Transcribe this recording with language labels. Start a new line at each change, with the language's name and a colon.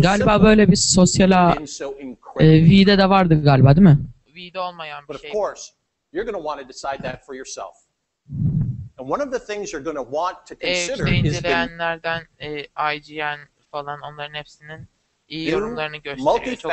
Turkish: galiba böyle bir sosyal ağ V'de de vardı galiba değil mi? V'de olmayan bir
English: But
Turkish: şey.
English: But of course, you're going to want to decide that for yourself. And one of the things you're going to want to consider is
Turkish: inceleyenlerden IGN falan onların hepsinin iyi yorumlarını gösteriyor.